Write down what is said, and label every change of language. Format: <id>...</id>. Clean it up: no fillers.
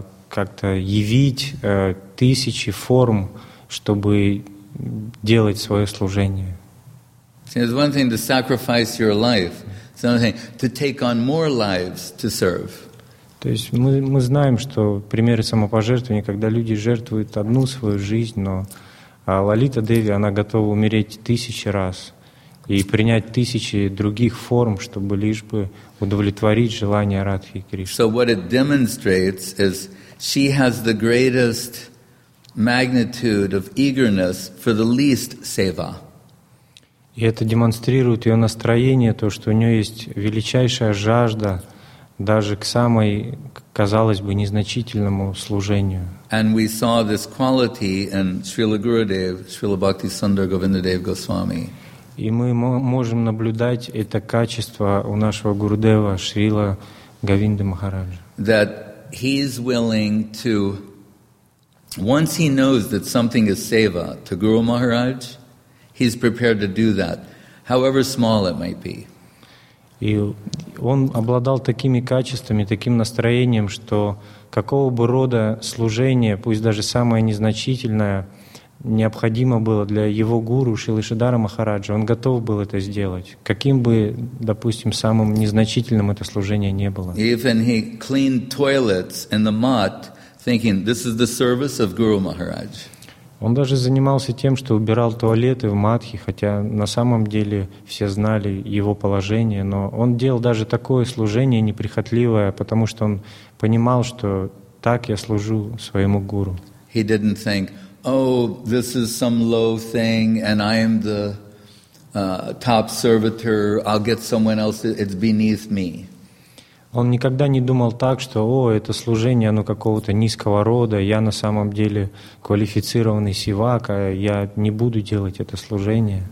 <ru>как-то явить тысячи форм, чтобы делать свое служение.</ru> <en>It's one thing to sacrifice your life, it's another thing to take on more lives to serve.</en> <ru>То есть мы знаем, что примеры самопожертвования, когда люди жертвуют одну свою жизнь, но Лалита Деви, она готова умереть тысячи раз и принять тысячи других форм, чтобы лишь бы удовлетворить желание Радхи и Кришны.</ru> <en>So what it demonstrates is she has the greatest magnitude of eagerness for the least seva.</en> <ru>И это демонстрирует ее настроение, то, что у нее есть величайшая жажда даже к самой, казалось бы, незначительному служению.</ru> <en>And we saw this quality in Srila Gurudev, Srila Bhakti Sundar Govindadev Goswami.</en> <ru>И мы можем наблюдать это качество у нашего Гурудева Шрила Говинды Махараджа.</ru> <en>That he's willing to, once he knows that something is seva to Guru Maharaj, he's prepared to do that, however small it might be.</en> <ru>И он обладал такими качествами, таким настроением, что какого бы рода служение, пусть даже самое незначительное, необходимо было для его гуру Шрилы Шридхара Махараджа, он готов был это сделать. Каким бы, допустим, самым незначительным это служение не было.</ru> <en>Even he cleaned toilets in the mat, thinking, this is the service of Guru Maharaj.</en> <ru>Он даже занимался тем, что убирал туалеты в Мадхи, хотя на самом деле все знали его положение, но он делал даже такое служение неприхотливое, потому что он понимал, что так я служу своему гуру.</ru> <en>He didn't think, oh, this is some low thing, and I am the top servitor, I'll get someone else, it's beneath me.</en> <ru>Он никогда не думал так, что, о, это служение, оно какого-то низкого рода, я на самом деле квалифицированный сивак, а я не буду делать это служение.</ru>